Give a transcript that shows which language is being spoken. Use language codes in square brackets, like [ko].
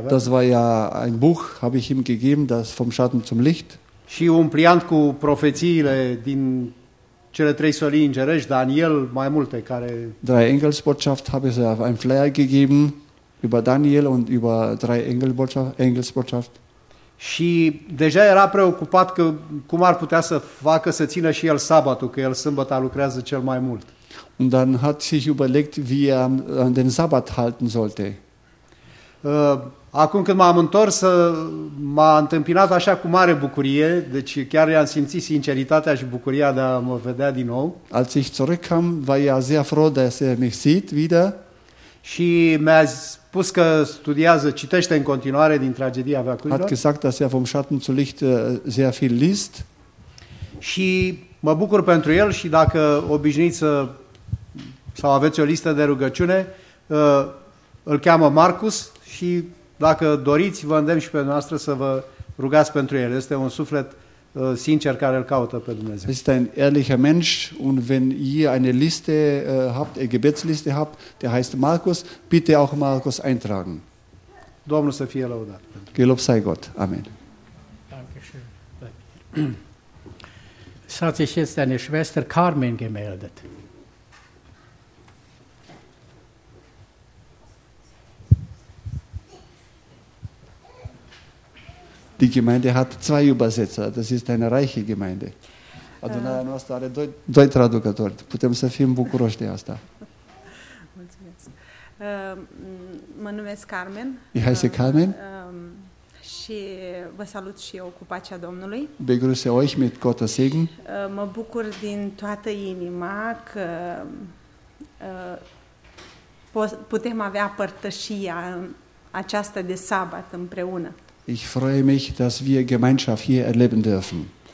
[de] Das war ja ein Buch, habe ich ihm gegeben, das Vom Schatten zum Licht. [ro] Și un pliant cu profețiile din cele 3 solii îngerești, Daniel, mai multe care. [de] Drei Engelsbotschaft habe ich auf einen Flyer gegeben über Daniel und über drei Engelsbotschaft. [ro] Și deja era preocupat că cum ar putea să facă să țină și el sabatul, că el sâmbătă lucrează cel mai mult. [de] Und dann hat sich überlegt, wie er den Sabbat halten sollte. [ro] Acum când m-am întors, m-a întâmpinat așa cu mare bucurie, deci chiar i-am simțit sinceritatea și bucuria de a mă vedea din nou. [de] Als ich zurückkam, war ja sehr froh, dass er mich sieht wieder. [ro] Și mi-a spus că studiază, citește în continuare din tragedia Veacurilor. [de] Hat gesagt, dass er vom Schatten zu Licht sehr viel liest. [ro] Și mă bucur pentru el și dacă obișnuiți să sau aveți o listă de rugăciune, îl cheamă Marcus și dacă doriți, vă îndemn și pe dumneavoastră să vă rugați pentru el. Este un suflet sincer care îl caută pe Dumnezeu. Este un [de] ehrlicher Mensch und wenn ihr eine Liste habt, eine Gebetsliste habt, der heißt Marcus, bitte auch Marcus eintragen. [ro] Domnul să fie lăudat. [de] Gelobt sei Gott. Amen. Dankeschön. Es hat sich jetzt eine Schwester Carmen gemeldet. Die Gemeinde hat 2 Übersetzer. Das ist eine reiche Gemeinde. [ro] Adunarea noastră are 2 traducători. Putem să fim bucuroși de asta. Mulțumesc. Mă numesc Carmen. [de] Ich heiße Carmen. [ro] Și și vă salut și eu cu pacea Domnului. [de] Begrüße euch mit Gottes Segen. [ro] Mă bucur din toată inima că putem avea părtășia aceasta de sabat împreună. [de] Ich freue mich, dass wir Gemeinschaft hier erleben dürfen.